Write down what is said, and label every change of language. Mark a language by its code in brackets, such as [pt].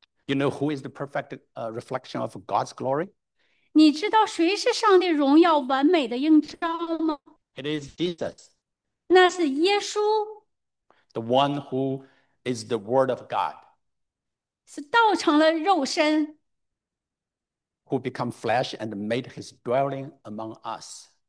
[en] You know who is the perfect reflection of God's glory? [zh] 你知道谁是上帝荣耀完美的映照吗？ [en] It is Jesus, [zh] 那是耶稣。 [en] the one who is the Word of God, [zh] 是道成了肉身。 [en] who became flesh and made his dwelling among us,